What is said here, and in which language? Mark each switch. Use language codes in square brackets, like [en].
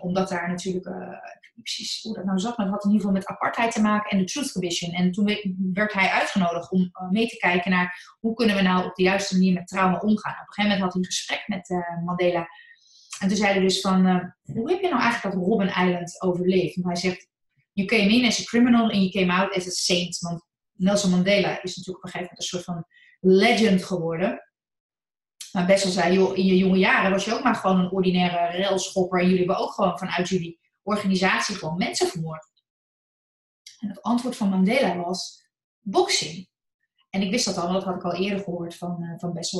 [nl] Omdat daar natuurlijk, ik weet niet precies hoe dat nou zat, maar het had in ieder geval met apartheid te maken en de Truth Commission. En toen werd hij uitgenodigd om mee te kijken naar hoe kunnen we nou op de juiste manier met trauma omgaan. Op een gegeven moment had hij een gesprek met Mandela. En toen zei hij dus van, hoe heb je nou eigenlijk dat Robben Island overleefd? Want hij zegt, [en] you came in as a criminal and you came out as a saint. [nl] Want Nelson Mandela is natuurlijk op een gegeven moment een soort van legend geworden. Maar Bessel zei, joh, in je jonge jaren was je ook maar gewoon een ordinaire railschopper. En jullie hebben ook gewoon vanuit jullie organisatie gewoon mensen vermoord. En het antwoord van Mandela was, boxing. En ik wist dat al, want dat had ik al eerder gehoord van Bessel.